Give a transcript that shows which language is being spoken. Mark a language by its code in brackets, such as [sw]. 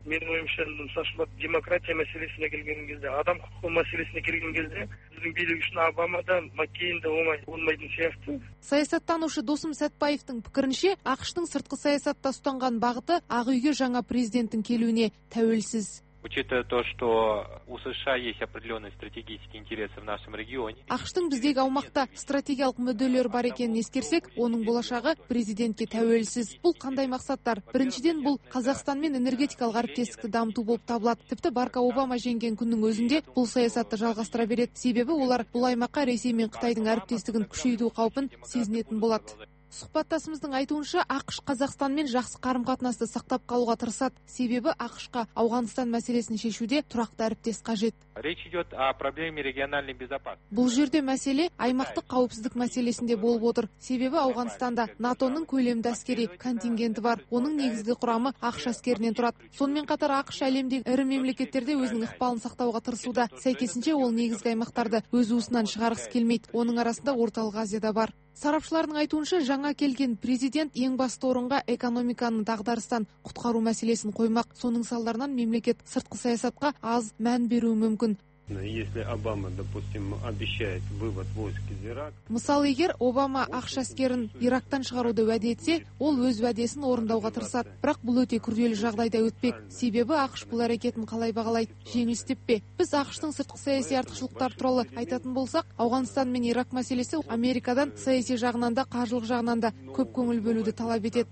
[kk] Менің ойымша, мысалы демократия мәселесіне келген кезде, адам құқығы мәселесіне келген кезде біздің билік үшін Обама да Маккейн де оңай болмайтын сияқты. Саясаттанушы Досым Сәтбаевтың пікірінше, Ақштың сыртқы саясатта ұстанған бағыты Ақ үйге жаңа президенттің келуіне тәуелсіз. [ru] Учитывая то, что у США есть определенные стратегические интересы в нашем регионе. [kk] Ақштың біздегі аумақта стратегиялық мүдделер бар екенін ескерсек, оның болашағы президентке тәуелсіз. Бұл қандай мақсаттар? Біріншіден, бұл Қазақстанмен энергетикалық әріптестікті дамыту болып табылады. Тіпті Барак Обама жеңген күннің өзінде бұл саясатты жалғастыра береді. Себебі олар бұл аймаққа Ресей мен Қытайдың әріптестігін күшейту қаупін сезінетін болады. Сұхбаттасымыздың айтуынша, АқШ Қазақстанмен жақсы қарым-қатынасты сақтап қалуға тырысады, себебі АқШ-қа Ауғанстан мәселесін шешуде тұрақты әріптес қажет. [ru] Речь идет о проблеме региональной безопасности. [kk] Бұл жерде мәселе аймақтық қауіпсіздік мәселесінде болып отыр. Себебі Ауғанстанда НАТО-ның көлемді әскери контингенті бар. Оның негізгі құрамы АқШ әскерінен тұрады. Сонымен қатар АқШ әлемдегі ірі мемлекеттерде өзінің ықпалын сақтауға тырысуда. Сәйкесінше ол негізгі аймақтарды өз уысынан шығарғысы келмейді. Оның арасында Орталық Азия да бар. Сарапшылардың айтуынша, жаңа келген президент ең басты орынға экономиканы дағдарыстан құтқару мәселесін қоймақ. Соның салдарынан мемлекет сыртқы саясатқа аз мән беруі мүмкін. [ru] Если Обама, допустим, обещает вывод войск из Ирака. [kk] Мысалы, егер Обама АқШ әскерін Ирактан шығаруды уәде етсе, ол өз уәдесін орындауға тырысады. Бірақ бұл өте күрделі жағдайда өтпек. Себебі АқШ бұл әрекетін қалай бағалайды? Жеңіс деп пе? Біз АқШ-тың сыртқы саяси артықшылықтар туралы айтатын болсақ, Ауғанстан мен Ирак мәселесі Америкадан саяси жағынан да, қаржылық жағынан да көп көңіл бөлуді талап етеді.